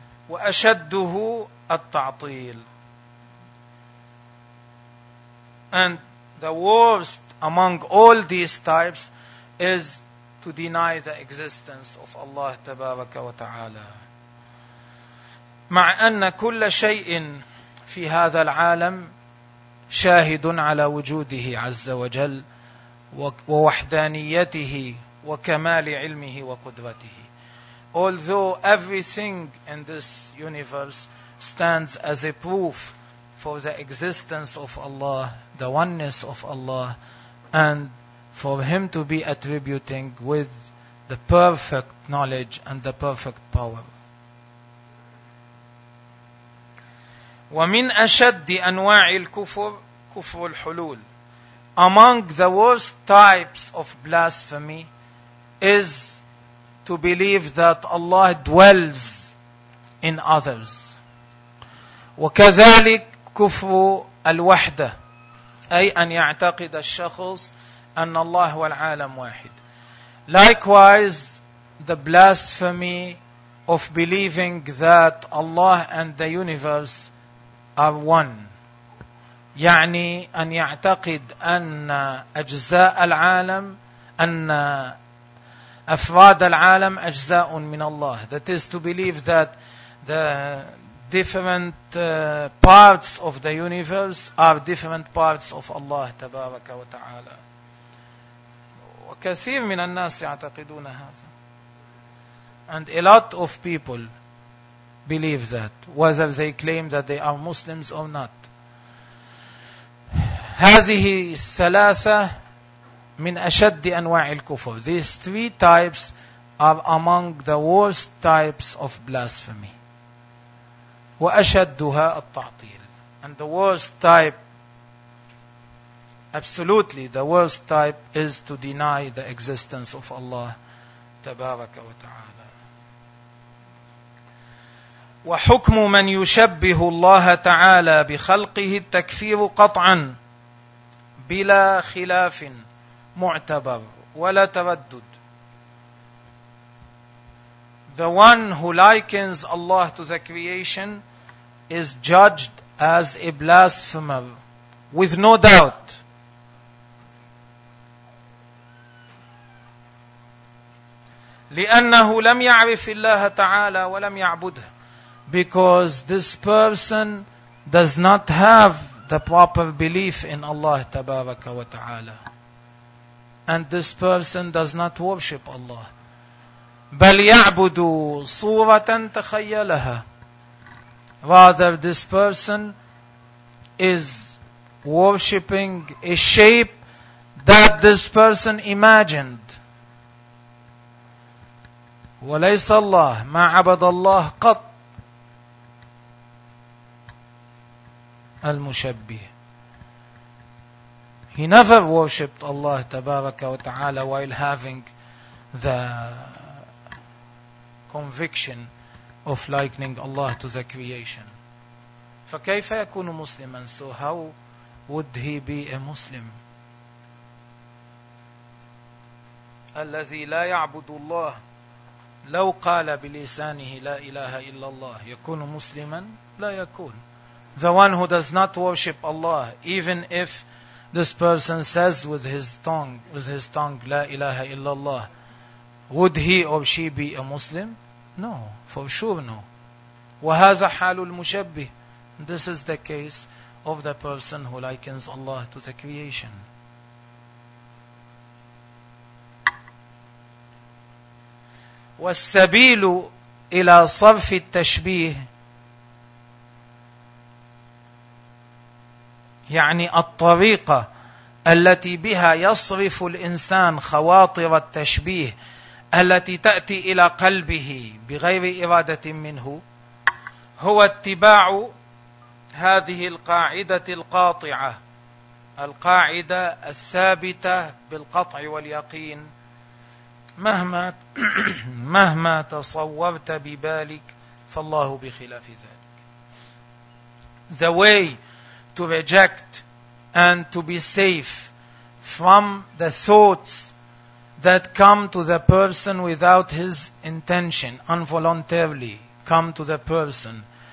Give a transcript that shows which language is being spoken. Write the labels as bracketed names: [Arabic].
[Arabic] وَأَشَدُّهُ التَّعْطِيلُ. [English] And the worst among all these types is to deny the existence of Allah تبارك وتعالى. [Arabic] مع أن كل شيء في هذا العالم شاهد على وجوده عز وجل ووحدانيته وكمال علمه وقدرته. [English] Although everything in this universe stands as a proof for the existence of Allah, the oneness of Allah, and for him to be attributing with the perfect knowledge and the perfect power. [Arabic] وَمِنْ أَشَدِّ أَنْوَاعِ الْكُفُرِ كُفْرُ الْحُلُولِ. [English] Among the worst types of blasphemy is to believe that Allah dwells in others. [Arabic] وَكَذَلِكْ كُفْرُ الْوَحْدَةِ. أي أن يعتقد الشخص أن الله والعالم واحد. [English] Likewise, the blasphemy of believing that Allah and the universe are one. [Arabic] يعني أن يعتقد أن أجزاء العالم أن أفراد العالم أجزاء من الله. [English] That is to believe that the different parts of the universe are different parts of Allah تبارك وتعالى. [Arabic] كثير من الناس يعتقدون هذا. [English] And a lot of people believe that, whether they claim that they are Muslims or not. [Arabic] هذه الثلاثة من أشد أنواع الكفر. [English] These three types are among the worst types of blasphemy. [Arabic] وأشدها التعطيل. [English] And the worst type, absolutely, the worst type is to deny the existence of Allah تبارك وتعالى. [Arabic] وحكم من يشبه الله تعالى بخلقه التكفير قطعا بلا خلاف معتبر ولا تردد. [English] The one who likens Allah to the creation is judged as a blasphemer with no doubt. [Arabic] لأنه لم يعرف الله تعالى ولم يعبده. [English] Because this person does not have the proper belief in Allah تبارك وتعالى. And this person does not worship Allah. [Arabic] بل يعبد صورة تخيلها. [English] Rather, this person is worshipping a shape that this person imagined. [Arabic] وليس الله ما عبد الله قط المشبه. [English] He never worshipped Allah تبارك وتعالى while having the conviction of likening Allah to the creation. [Arabic] فكيف يكون مسلما؟ [English] So how would he be a Muslim? [Arabic] الذي لا يعبد الله لو قال بلسانه لا إله إلا الله يكون مسلما؟ لا يكون. [English] The one who does not worship Allah, even if this person says with his tongue, La ilaha illallah, would he or she be a Muslim? No, for sure no. [Arabic] وَهَذَا حَالُ الْمُشَبِّهِ [English] This is the case of the person who likens Allah to the creation. [Arabic] وَالسَّبِيلُ إِلَى صَرْفِ التَّشْبِيهِ يعني الطريقة التي بها يصرف الإنسان خواطر التشبيه التي تأتي إلى قلبه بغير إرادة منه هو اتباع هذه القاعدة القاطعة القاعدة الثابتة بالقطع واليقين مهما تصورت ببالك فالله بخلاف ذلك. [English] The way to reject and to be safe from the thoughts that come to the person without his intention, involuntarily come to the person.